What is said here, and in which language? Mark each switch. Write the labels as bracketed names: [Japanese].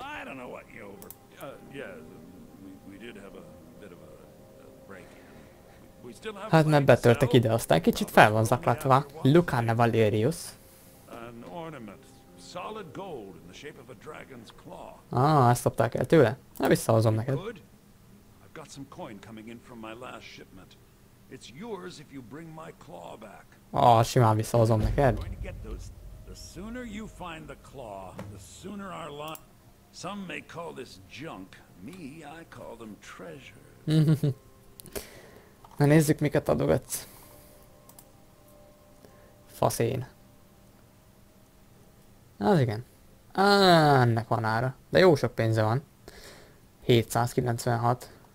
[English] I don't know what you over... yeah, we did have a bit of a break. We still have... [Hungarian] Hát nem betörtek ide, aztán kicsit fel van zaklatva. [English] Lucane Valerius. An ornament, solid gold in the shape of a dragon's claw. [Hungarian] Ah, ezt szopták el tőle? Na, visszahozom neked. [English] Good? I've got some coin coming in from my last shipment. It's yours if you bring my claw back. [Hungarian] Ah, simán visszahozom neked. [English] The sooner you find the claw, the sooner our lot. Some may call this junk. Me, I call them treasures. [Hungarian] Na nézzük, miket adogatsz. Faszén. Az igen. Ennek van ára. De jó sok pénze van. 796.